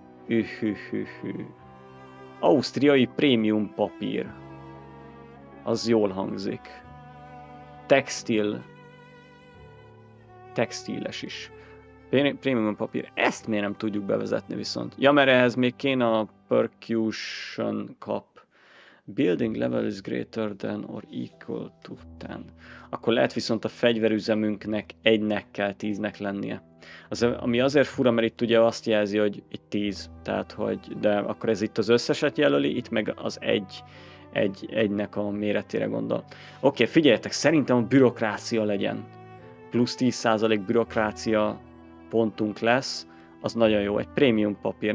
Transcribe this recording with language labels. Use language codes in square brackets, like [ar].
[hu] Ühühühü. Ausztriai prémium papír. Az jól hangzik. Textil. Textiles is. Prémium papír. Ezt miért nem tudjuk bevezetni viszont? Ja, mert ehhez még kéne a percussion cap. [en] Building level is greater than or equal to 10. [hu] Akkor lehet viszont a fegyverüzemünknek egynek kell 10-nek lennie. Az, ami azért fura, mert itt ugye azt jelzi, hogy itt 10. Tehát, hogy de akkor ez itt az összeset jelöli, itt meg az egynek a méretére gondol. Oké, figyeljetek, szerintem a bürokrácia legyen. Plusz 10% bürokrácia pontunk lesz, az nagyon jó. Egy prémium papír.